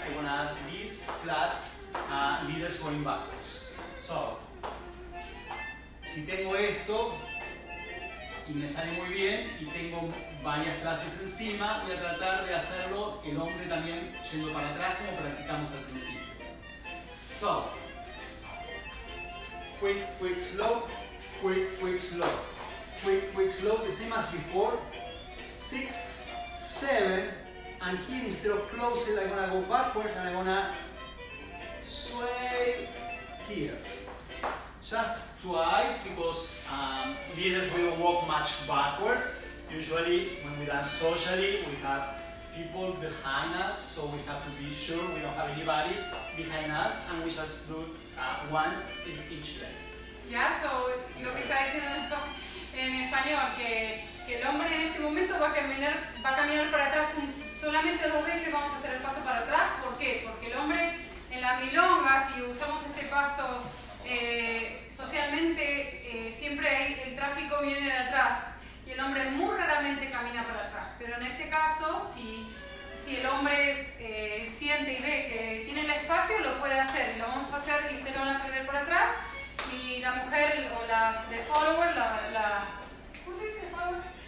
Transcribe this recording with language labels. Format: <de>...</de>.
<en>I wanna add this plus leaders going backwards.</en> <es>So, si tengo esto y me sale muy bien y tengo varias clases encima, voy a tratar de hacerlo el hombre también yendo para atrás como practicamos al principio.</es> <en>So, quick slow, the same as before, 6, 7, and here instead of closing I'm gonna go backwards and I'm gonna sway here. Just twice, because leaders will walk much backwards. Usually, when we dance socially, we have people behind us, so we have to be sure we don't have anybody behind us, and we just do one in each leg.</en> <es>Yeah, so, lo que está diciendo en español, que el hombre en este momento va a caminar para atrás solamente dos veces, vamos a hacer el paso para atrás. ¿Por qué? Porque el hombre en las milongas, si usamos este paso, socialmente siempre el tráfico viene de atrás y el hombre muy raramente camina para atrás, pero en este caso si el hombre siente y ve que tiene el espacio lo puede hacer, lo vamos a hacer y se lo van a perder por atrás y la mujer o la de follower, ¿cómo se dice follower?</es>